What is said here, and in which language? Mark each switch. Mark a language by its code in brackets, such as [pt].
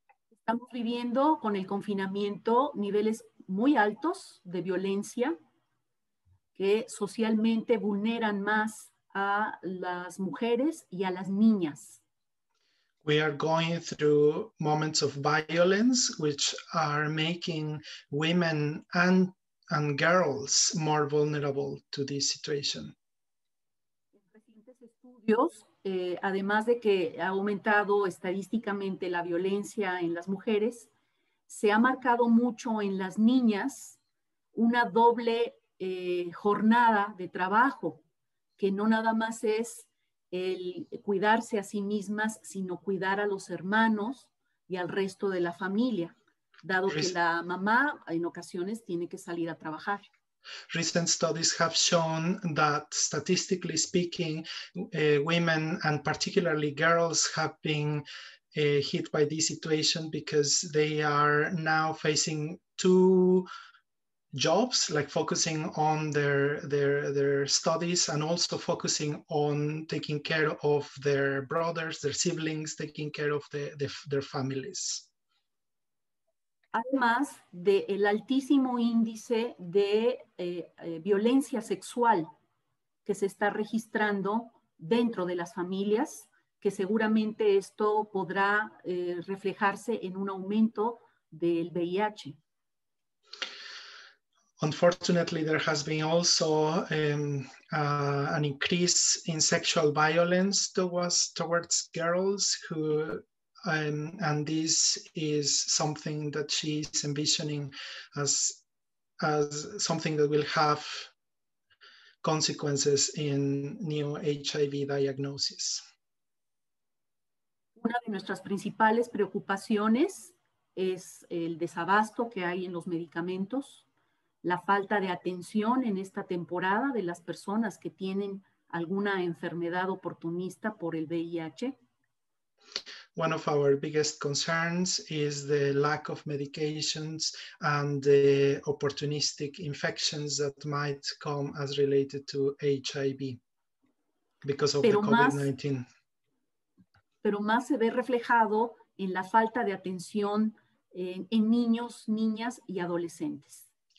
[es] estamos viviendo con el confinamiento niveles muy altos de violencia que socialmente vulneran más a las mujeres y a las niñas. [en] We are going through moments of violence, which are making women and girls more vulnerable to this situation. [es] Recientes estudios, además de que ha aumentado estadísticamente la violencia en las mujeres, se ha marcado mucho en las niñas una doble jornada de trabajo, que no nada más es el cuidarse a sí mismas, sino cuidar a los hermanos y al resto de la familia, dado que la mamá en ocasiones tiene que salir a trabajar. [en] Recent studies have shown that, statistically speaking, women and particularly girls have been hit by this situation because they are now facing two jobs, like focusing on their studies and also focusing on taking care of their brothers, their siblings, taking care of their families. [es] Además del altísimo índice de violencia sexual que se está registrando dentro de las familias, que seguramente esto podrá reflejarse en un aumento del VIH. [en] Unfortunately, there has been also an increase in sexual violence towards girls who, and this is something that she's envisioning as something that will have consequences in new HIV diagnosis. [es] Una de nuestras principales preocupaciones es el desabasto que hay en los medicamentos, la falta de atención en esta temporada de las personas que tienen alguna enfermedad oportunista por el VIH. [en] One of our biggest concerns is the lack of medications and the opportunistic infections that might come as related to HIV because of the COVID-19. [es] Pero más se ve reflejado en la falta de atención en niños, niñas y adolescentes.